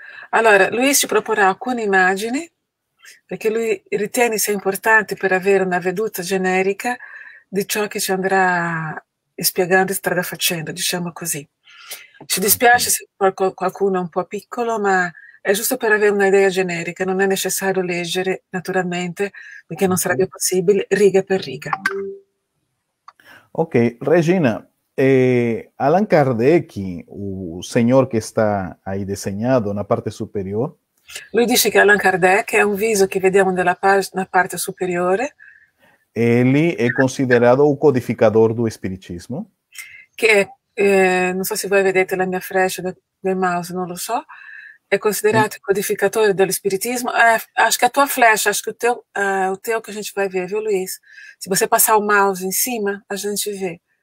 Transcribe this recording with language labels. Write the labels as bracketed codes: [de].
[it] Allora, Luiz [pt] te proporá [it] alcune immagini. Perché lui ritiene sia importante per avere una veduta generica di ciò che ci andrà spiegando e strada facendo, diciamo così. Ci dispiace se qualcuno è un po' piccolo, ma è giusto per avere un'idea generica, non è necessario leggere naturalmente, perché non sarebbe possibile, riga per riga. [pt] Ok, Regina, Allan Kardec, o senhor que está aí desenhado na parte superior. [it] Lui dice che Allan Kardec è un viso che vediamo nella pa na parte superiore, [pt] Ele é considerado o codificador do Espiritismo. [it] che non so se voi vedete la mia freccia del mouse, non lo so, è considerato il codificatore dell'espiritismo. [pt] Acho que a tua flecha, acho que o teu que a gente vai ver, viu, Luiz? Se você passar o mouse em cima, a gente vê.